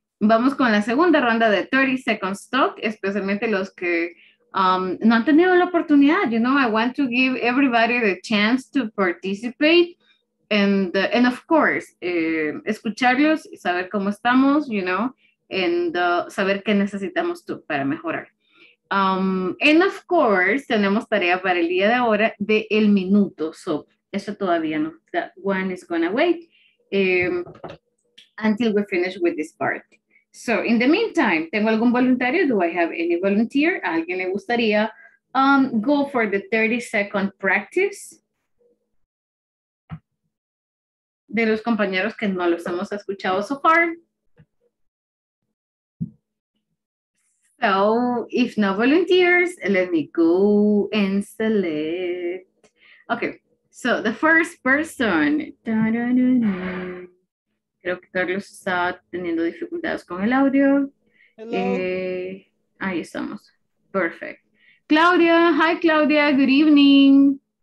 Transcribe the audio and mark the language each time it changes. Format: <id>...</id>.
<es>Vamos con la segunda ronda de</es> <en>30 seconds talk,</en> <es>especialmente los que no han tenido la oportunidad.</es> <en>You know, I want to give everybody the chance to participate. And of course,</en> <es>escucharlos y saber cómo estamos,</es> <en>you know, and</en> <es>saber qué necesitamos tú para mejorar.</es> <en>And of course,</en> <es>tenemos tarea para el día de ahora de el minuto. So, eso todavía no.</es> <en>That one is going to wait until we finish with this part. So, in the meantime,</en> <es>¿tengo algún voluntario?</es> <en>Do I have any volunteer?</en> <es>¿A alguien le gustaría</es> <en>go for the 30-second practice?</en> <es>De los compañeros que no los hemos escuchado</es> <en>so far. So, if no volunteers, let me go and select. Okay, so the first person. Da-da-da-da.</en> <es>Creo que Carlos está teniendo dificultades con el audio.</es> <en>Hello.</en> <es>Ahí estamos.</es> <en>Perfect. Claudia. Hi, Claudia. Good evening.</en>